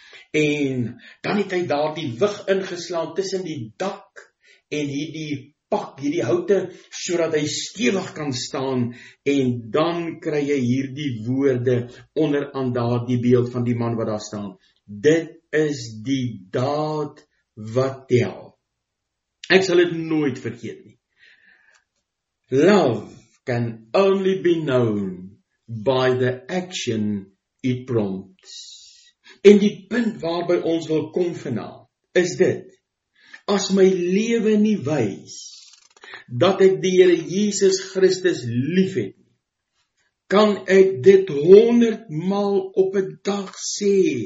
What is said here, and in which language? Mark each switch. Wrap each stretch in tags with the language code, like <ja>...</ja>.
<af>En dan het hy daar die wig ingeslaan tussen die dak en hierdie pak, hierdie houte, sodat hy stewig kan staan. En dan kry jy hierdie woorde onder aan daardie beeld van die man wat daar staan. Dit is die daad wat tel. Ek sal dit nooit vergeet nie.</af> <en>Love can only be known by the action it prompts.</en> <af>En die punt waarby ons wil kom vanaand, is dit, as my lewe nie wys, dat ek die Here Jesus Christus lief het, kan ek dit 100 maal op 'n dag sê,</af>